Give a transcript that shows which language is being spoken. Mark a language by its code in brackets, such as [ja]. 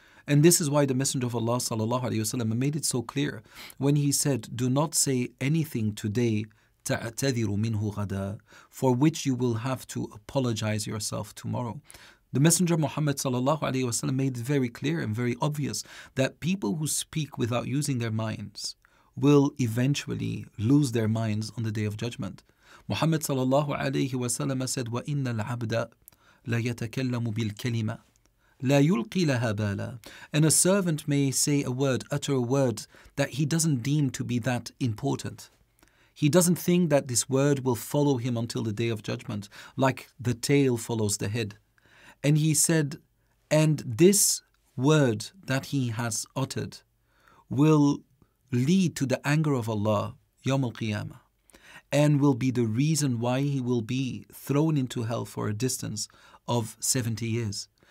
[en] And this is why the Messenger of Allah sallallahu alayhi wa sallam made it so clear when he said, do not say anything today, [ar] تَعْتَذِرُ مِنْهُ غَدًا, [en] for which you will have to apologize yourself tomorrow. The Messenger Muhammad sallallahu alayhi wa sallam made it very clear and very obvious that people who speak without using their minds will eventually lose their minds on the Day of Judgment. [ar] Muhammad sallallahu alayhi wa sallam said, وَإِنَّ الْعَبْدَ لَيَتَكَلَّمُ بِالْكَلِمَةِ لَا يُلْقِي لَهَا بَالًا. [en] And a servant may say a word, utter a word that he doesn't deem to be that important. He doesn't think that this word will follow him until the Day of Judgment, like the tail follows the head. And he said, and this word that he has uttered will lead to the anger of Allah, يَوْمُ الْقِيَامَةِ, and will be the reason why he will be thrown into hell for a distance of 70 years.